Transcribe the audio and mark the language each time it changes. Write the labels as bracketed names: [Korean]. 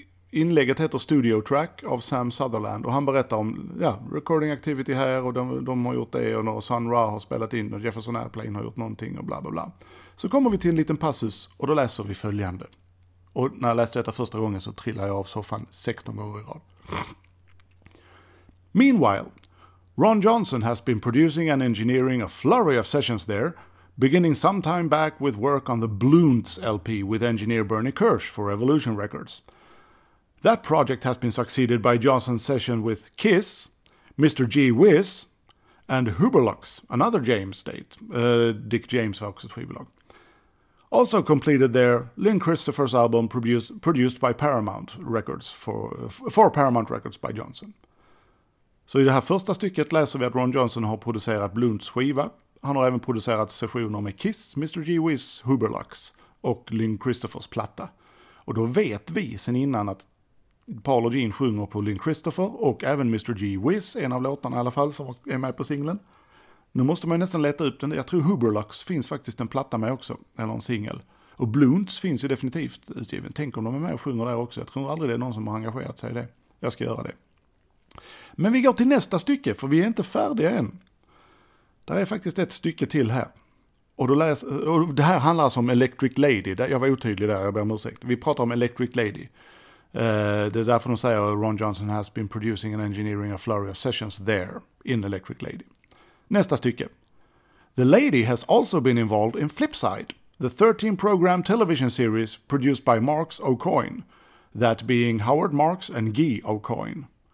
[Swedish] Inlägget heter Studio Track av Sam Sutherland. Och han berättar om ja, [English] recording activity [Swedish] här och de har gjort det. Och Sun Ra har spelat in och Jefferson Airplane har gjort någonting och bla bla bla. Så kommer vi till en liten passus och då läser vi följande. Och när jag läste detta första gången så trillar jag av soffan 16 gånger i rad. [English] Meanwhile, Ron Johnson has been producing and engineering a flurry of sessions there, beginning some time back with work on the Bluntz LP with engineer Bernie Kirsch for Evolution Records. That project has been succeeded by Johnson's session with Kiss, Mr. G. Wiz, and Huberlux, another James state. [Swedish] Dick James var också ett skivbolag. [English] Also completed their Lynn Christopher's album produced by Paramount Records for Paramount Records by Johnson. [Swedish] Så i det här första stycket läser vi att Ron Johnson har producerat Blunts skiva. Han har även producerat sessioner med Kiss, Mr. Gee-Whiz, Huberlux och Lynn Christophers platta. Och då vet vi sen innan att Paul och Gene sjunger på Lynn Christopher och även Mr. Gee-Whiz, en av låtarna i alla fall som är med på singeln. Nu måste man ju nästan leta upp den. Jag tror Huberlux finns faktiskt en platta med också, eller en singel. Och Blunts finns ju definitivt utgiven. Tänk om de är med och sjunger där också. Jag tror aldrig det är någon som har engagerat sig i det. Jag ska göra det. Men vi går till nästa stycke, för vi är inte färdiga än. Där är faktiskt ett stycke till här. Och det här handlar alltså om Electric Lady. Jag var otydlig där, jag ber om ursäkt. Vi pratar om Electric Lady. Det är därför de säger att Ron Johnson [English] has been producing and engineering a flurry of sessions there in Electric Lady. [Swedish] Nästa stycke. [English] The Lady has also been involved in Flipside, the 13-program television series produced by Marks O'Coin, that being Howard Marks and Guy O'Coin.